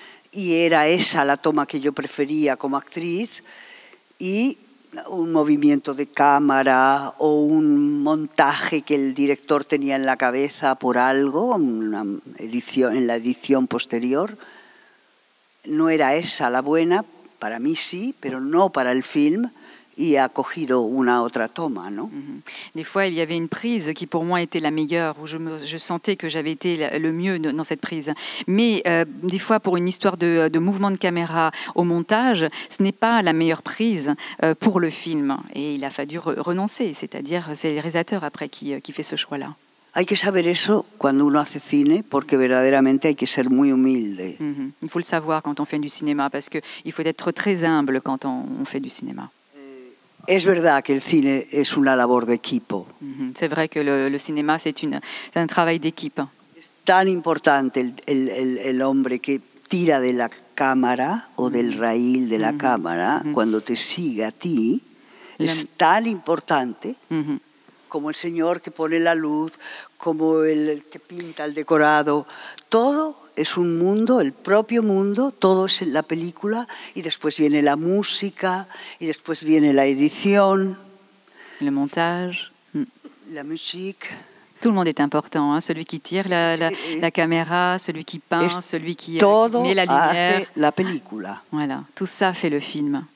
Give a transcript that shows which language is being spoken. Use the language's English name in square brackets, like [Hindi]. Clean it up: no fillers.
[Spanish] Y era esa la toma que yo prefería como actriz y un movimiento de cámara o un montaje que el director tenía en la cabeza por algo, una edición, en la edición posterior, no era esa la buena, para mí sí, pero no para el film. Y ha cogido una otra toma, ¿no? [French] Des fois, il y avait une prise qui, pour moi, était la meilleure, où je sentais que j'avais été le mieux dans cette prise. Mais des fois, pour une histoire de mouvement de caméra au montage, ce n'est pas la meilleure prise pour le film. Et il a fallu renoncer, c'est-à-dire c'est le réalisateur après qui fait ce choix-là. [Spanish] Hay que saber eso cuando uno hace cine, porque verdaderamente hay que ser muy humilde. [French] Il faut le savoir quand on fait du cinéma, parce qu'il faut être très humble quand on fait du cinéma. [Spanish] Es verdad que el cine es una labor de equipo. [French] C'est vrai que le cinéma c'est un travail d'équipe. [Spanish] Es tan importante el hombre que tira de la cámara o del raíl de la cámara cuando te sigue a ti, es tan importante como el señor que pone la luz, como el que pinta el decorado, todo. Es un mundo, el propio mundo, todo es la película y después viene la música y después viene la edición. El montaje. [French] La musique. [Spanish] Todo el mundo es importante, ¿eh? [French] Celui qui tire la cámara, celui qui peint, celui qui met la lumière. [Spanish] Todo hace la película. [French] Voilà, tout ça fait le film.